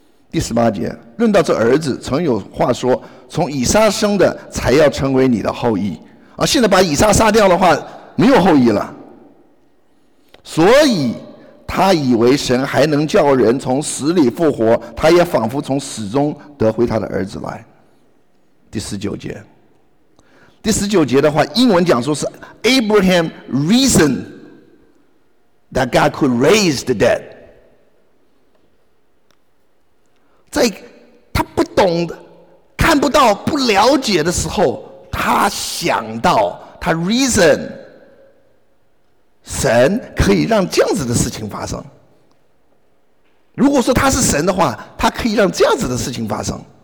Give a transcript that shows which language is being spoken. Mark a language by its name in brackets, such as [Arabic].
[Chinese] 第18节，论到这儿子，曾有话说，从以撒生的才要成为你的后裔。现在把以撒杀掉的话，没有后裔了。所以他以为神还能叫人从死里复活，他也仿佛从死中得回他的儿子来。第19节。第19节的话，英文讲说是 [English] Abraham reasoned that God could raise the dead。 [Chinese] 在他不懂看不到不了解的时候，他想到他 reason 神可以让这样子的事情发生。如果说他是神的话，他可以让这样子的事情发生。